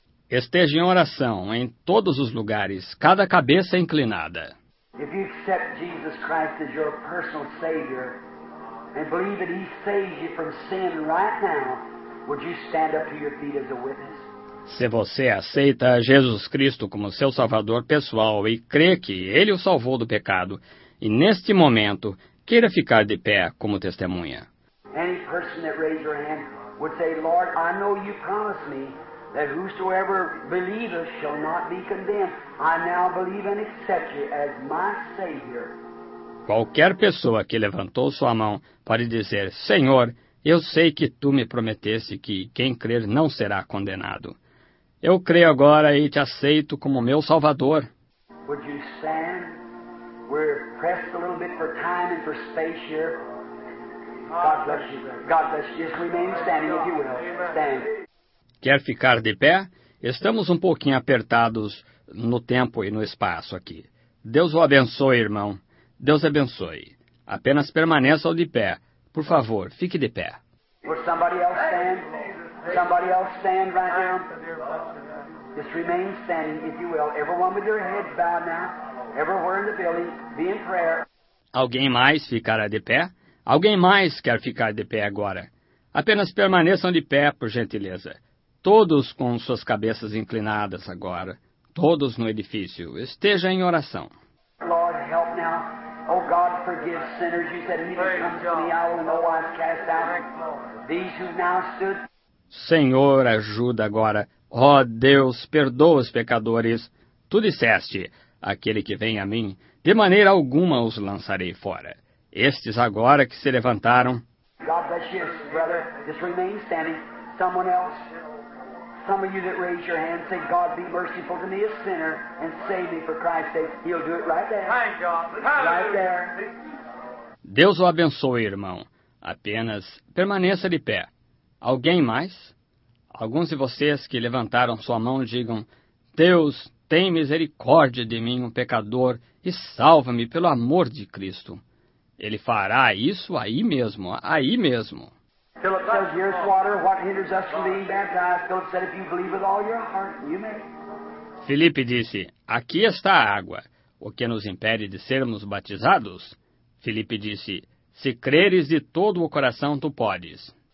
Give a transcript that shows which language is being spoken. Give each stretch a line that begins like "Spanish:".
Portuguese: Esteja em oração em todos os lugares, cada cabeça inclinada.
English: If you accept Jesus Christ as your personal Savior and believe that He saves you from sin right now, would you stand up to your feet as a witness?
Portuguese: Se você aceita Jesus Cristo como seu Salvador pessoal e crê que Ele o salvou do pecado, e neste momento queira ficar de pé como testemunha.
English: Any person that raised their hand would say, Lord, I know you promised me that whosoever believeth shall not be condemned. I now believe and accept you as my Savior.
Portuguese: Qualquer pessoa que levantou sua mão pode dizer, Senhor, eu sei que tu me prometeste que quem crer não será condenado. Eu creio agora e te aceito como meu Salvador.
English: Would you stand? We're pressed a little bit for time and for space here. God bless you. God bless you. Just remain standing if you will. Stand.
Portuguese: Quer ficar de pé? Estamos um pouquinho apertados no tempo e no espaço aqui. Deus o abençoe, irmão. Deus abençoe. Apenas permaneça de pé. Por favor, fique de pé.
English: Would somebody else stand? Somebody else stand right now. Just remain standing, if you will. Everyone with your head bowed now. Everywhere in the building, be in prayer.
Portuguese: Alguém mais ficará de pé? Alguém mais quer ficar de pé agora? Apenas permaneçam de pé, por gentileza. Todos com suas cabeças inclinadas agora. Todos no edifício. Esteja em oração.
English: Lord, help now. Oh, God, forgive sinners. You said, He that comes to me, I will no wise cast out. These who now stood.
Portuguese: Senhor, ajuda agora. Ó Deus, perdoa os pecadores. Tu disseste, aquele que vem a mim, de maneira alguma os lançarei fora. Estes agora que se levantaram.
English: God bless you, brother. Just remain standing. Someone else. Some of you that raise your hand, say, God be merciful to me, a sinner, and save me for Christ's sake. He'll do it right there. Thank God. Right there.
Portuguese: Deus o abençoe, irmão. Apenas permaneça de pé. Alguém mais? Alguns de vocês que levantaram sua mão digam: Deus, tem misericórdia de mim, um pecador, e salva-me pelo amor de Cristo. Ele fará isso aí mesmo, aí mesmo.
English: Philip says, here's water, what hinders us from being baptized? Philip said, if you believe with all your heart, you may.
Portuguese: Felipe disse, aqui está a água, o que nos impede de sermos batizados? Felipe disse, se creres de todo o coração, tu podes.